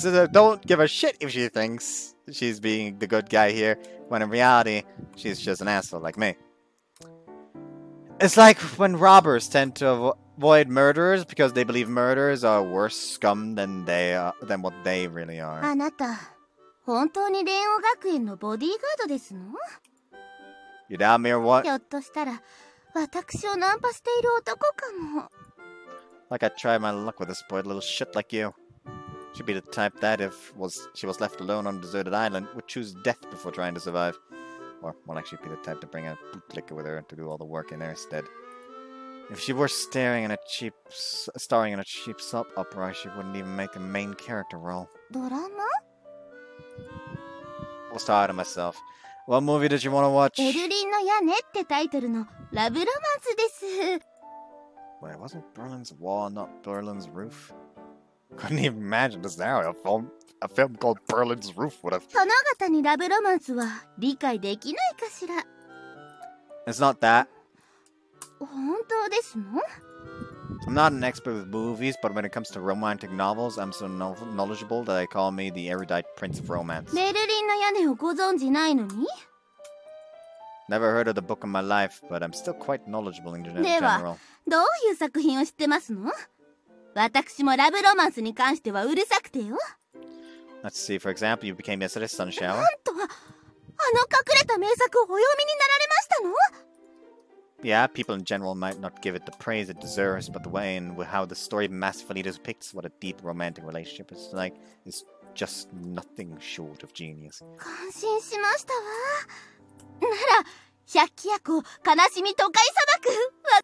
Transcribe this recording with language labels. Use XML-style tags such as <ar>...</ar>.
<en>don't give a shit if she thinks she's being the good guy here, when in reality, she's just an asshole like me. It's like when robbers tend to avoid murderers because they believe murderers are worse scum than what they really are.</en> <ja>あなた、本当に蓮舫学園のボディーガードですの?</ja> <en>You doubt me or what?</en> <ja>ひょっとしたら、私をナンパしている男かも。</ja> <en>Like I tried my luck with a spoiled little shit like you. She'd be the type that if was she was left alone on a deserted island would choose death before trying to survive. Or will actually be the type to bring a bootlicker with her to do all the work in there instead. If she were staring in a cheap, starring in a cheap soap opera, she wouldn't even make a main character role. Drama? I was tired of myself. What movie did you want to watch?</en> <ja>Berlin の屋根ってタイトルの</ja> <en>Love Romance</en> <ja>です。</ja> <en>Wait, wasn't Berlin's Wall not Berlin's Roof? Couldn't even imagine this now. A film called Berlin's Roof would have.</en> <ja>この方にラブロマンスは理解できないかしら?</ja> <en>It's not that.</en> <ja>本当ですの?</ja> <en>I'm not an expert with movies, but when it comes to romantic novels, I'm so knowledgeable that they call me the erudite prince of romance.</en> <ja>ベルリンの屋根をご存じないのに?</ja> <en>Never heard of the book in my life, but I'm still quite knowledgeable in general.</en> <ja>では、どういう作品を知ってますの?私もラブロマンスに関してはうるさくてよ。</ja> <en>Let's see, for example, you became yesterday's sun shower.</en> <ja>なんと、あの隠れた名作をお読みになられましたの?</ja> <en>Yeah, people in general might not give it the praise it deserves, but the way in how the story massively depicts what a deep romantic relationship is like is just nothing short of genius.</en> <ja>感心しましたわ。なら、百鬼夜行、悲しみ都会砂漠は。</ja>